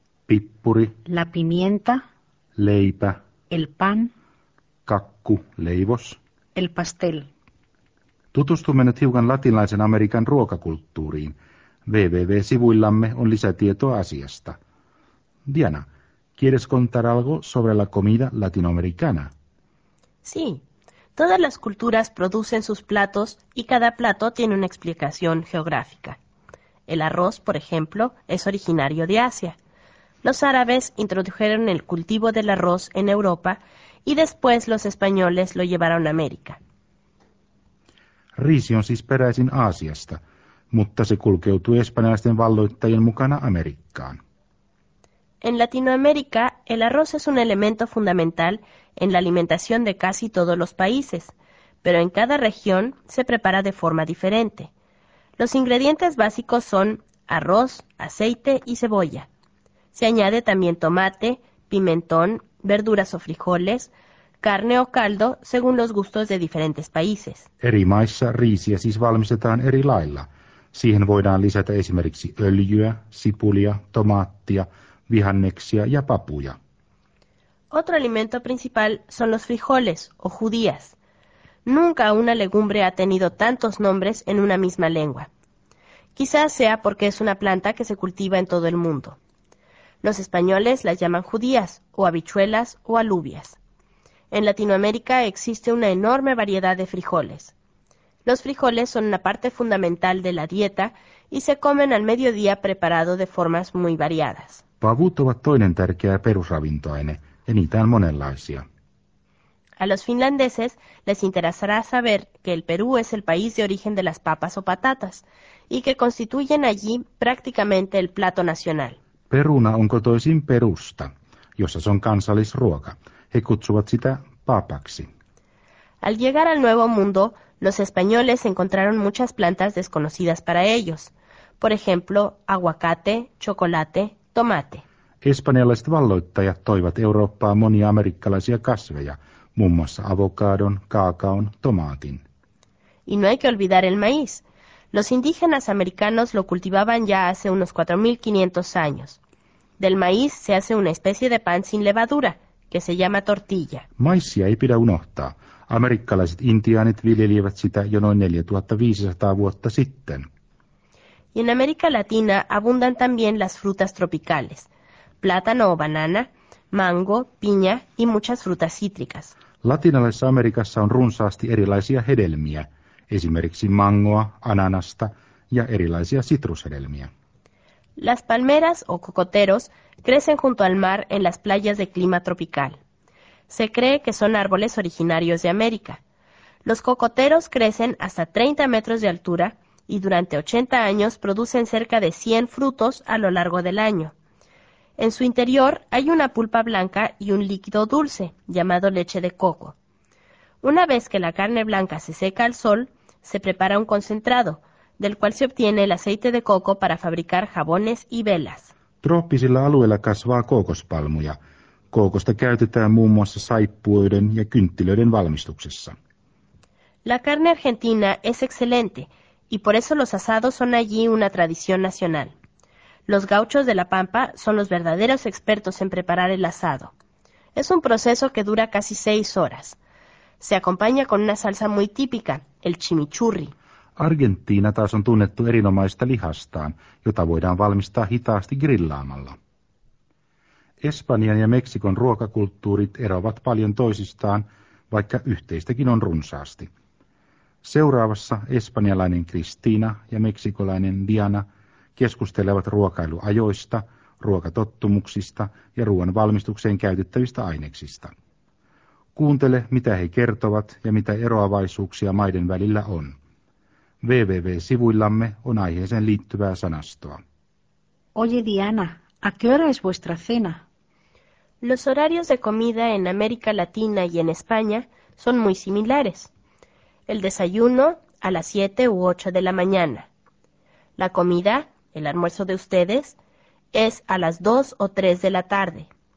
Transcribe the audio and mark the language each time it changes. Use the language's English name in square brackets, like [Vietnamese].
[Finnish] Pippuri. [Spanish] La pimienta. [Finnish] Leipä. [Spanish] El pan. [Finnish] Kakku, leivos. [Spanish] El pastel. [Finnish] Tutustumme nyt hiukan latinalaisen Amerikan ruokakulttuuriin. www-sivuillamme on lisätietoa asiasta. [Spanish] Diana, ¿quieres contar algo sobre la comida latinoamericana? Sí. Todas las culturas producen sus platos y cada plato tiene una explicación geográfica. El arroz, por ejemplo, es originario de Asia. Los árabes introdujeron el cultivo del arroz en Europa y después los españoles lo llevaron a América. [Finnish] Riisi on siis peräisin Aasiasta, mutta se kulkeutui espanjalaisten valloittajien mukana Amerikkaan. [Spanish] En Latinoamérica, el arroz es un elemento fundamental en la alimentación de casi todos los países, pero en cada región se prepara de forma diferente. Los ingredientes básicos son arroz, aceite y cebolla. Se añade también tomate, pimentón, verduras o frijoles, carne o caldo, según los gustos de diferentes países. [Finnish] Eri maissa riisiä siis valmistetaan eri lailla. Siihen voidaan lisätä esimerkiksi öljyä, sipulia, tomaattia, vihanneksia ja papuja. [Spanish] Otro alimento principal son los frijoles o judías. Nunca una legumbre ha tenido tantos nombres en una misma lengua. Quizás sea porque es una planta que se cultiva en todo el mundo. Los españoles las llaman judías o habichuelas o alubias. En Latinoamérica existe una enorme variedad de frijoles. Los frijoles son una parte fundamental de la dieta y se comen al mediodía preparado de formas muy variadas. [Finnish] Pavut ovat toinen tärkeä perusravintoaine, ja niitä on monenlaisia. [Spanish] A los finlandeses les interesará saber que el Perú es el país de origen de las papas o patatas, y que constituyen allí prácticamente el plato nacional. [Finnish] Peruna on kotoisin Perusta, jossa se on kansallisruoka. He kutsuvat sitä papaksi. [Spanish] Al llegar al Nuevo Mundo, los españoles encontraron muchas plantas desconocidas para ellos. Por ejemplo, aguacate, chocolate, tomate. [Finnish] Espanjalaiset valloittajat toivat Eurooppaan monia amerikkalaisia kasveja, muun muassa avokadon, kaakaon, tomaatin. [Spanish] y no hay que olvidar el maíz. Los indígenas americanos lo cultivaban ya hace unos 4.500 años. Del maíz se hace una especie de pan sin levadura, que se llama tortilla. [Finnish] Maisia ei pidä unohtaa. Amerikkalaiset intiaanit viljelivät sitä jo noin 4500 vuotta sitten. [Spanish] Y en América Latina abundan también las frutas tropicales. Plátano o banana, mango, piña y muchas frutas cítricas. [Finnish] Latinalaisessa Amerikassa on runsaasti erilaisia hedelmiä, esimerkiksi mangoa, ananasta ja erilaisia sitrushedelmiä. [Spanish] Las palmeras o cocoteros crecen junto al mar en las playas de clima tropical. Se cree que son árboles originarios de América. Los cocoteros crecen hasta 30 metros de altura y durante 80 años producen cerca de 100 frutos a lo largo del año. En su interior hay una pulpa blanca y un líquido dulce, llamado leche de coco. Una vez que la carne blanca se seca al sol, se prepara un concentrado, del cual se obtiene el aceite de coco para fabricar jabones y velas. [Finnish] Trooppisilla alueilla kasvaa kookospalmuja. Kookosta käytetään muun muassa saippuoiden ja kynttilöiden valmistuksessa. [Spanish] La carne argentina es excelente, y por eso los asados son allí una tradición nacional. Los gauchos de la Pampa son los verdaderos expertos en preparar el asado. Es un proceso que dura casi 6 horas. Se acompaña con una salsa muy típica, el chimichurri. [Finnish] Argentiina taas on tunnettu erinomaista lihastaan, jota voidaan valmistaa hitaasti grillaamalla. Espanjan ja Meksikon ruokakulttuurit eroavat paljon toisistaan, vaikka yhteistäkin on runsaasti. Seuraavassa espanjalainen Cristina ja meksikolainen Diana keskustelevat ruokailuajoista, ruokatottumuksista ja ruoan valmistukseen käytettävistä aineksista. Kuuntele, mitä he kertovat ja mitä eroavaisuuksia maiden välillä on. www.sivuillamme on aiheeseen liittyvää sanastoa. [Spanish] Oye Diana, ¿a qué hora es vuestra cena? Los horarios de comida en América Latina y en España son muy similares. El desayuno a las 7 u 8 de la mañana. La comida, el almuerzo de ustedes, es a las 2 o 3 de la tarde.